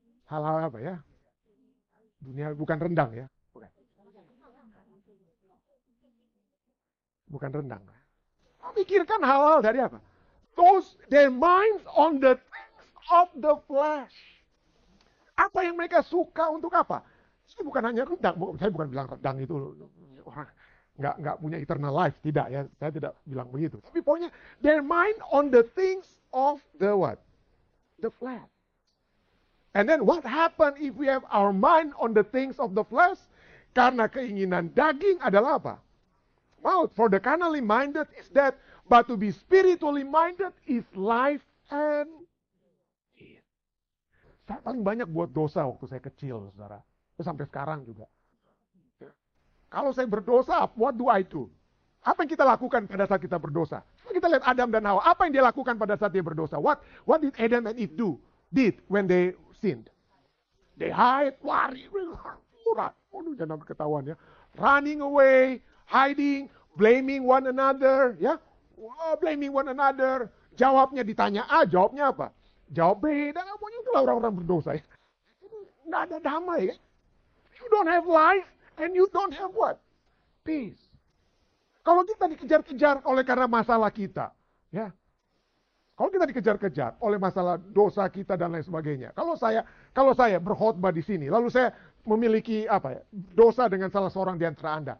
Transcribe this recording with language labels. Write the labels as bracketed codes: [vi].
[id] Hal-hal apa ya? Dunia bukan rendang ya? Bukan rendang. Memikirkan hal-hal dari apa? [en] Those their minds on the things of the flesh. [id] Apa yang mereka suka untuk apa? Ini bukan hanya rendang. Saya bukan bilang rendang itu orang nggak punya [en] eternal life. [id] Tidak ya. Saya tidak bilang begitu. Tapi pokoknya [en] their mind on the things of the what? The flesh. And then what happen if we have our mind on the things of the flesh? [id] Karena keinginan daging adalah apa? Maut. [en] For the carnally minded is death, but to be spiritually minded is life and peace. [id] Saya paling banyak buat dosa waktu saya kecil, saudara. Sampai sekarang juga. Kalau saya berdosa, [en] what do I do? [id] Apa yang kita lakukan pada saat kita berdosa? Kita lihat Adam dan Hawa. Apa yang dia lakukan pada saat dia berdosa? [en] What did Adam and Eve did when they sinned? They hide, [id] lari, [en] run. [id] Waduh, jangan sampai ketahuan ya. [en] Running away, hiding, blaming one another, ya. Yeah? Blaming one another. [id] Jawabnya ditanya A, jawabnya apa? Jawab B, dan pokoknya itulah orang-orang berdosa ya. Nggak ada damai ya. [en] You don't have life, and you don't have what? Peace. [id] Kalau kita dikejar-kejar oleh karena masalah kita, ya. Yeah? Kalau kita dikejar-kejar oleh masalah dosa kita dan lain sebagainya. Kalau saya berkhotbah di sini, lalu saya memiliki apa ya, dosa dengan salah seorang di antara Anda.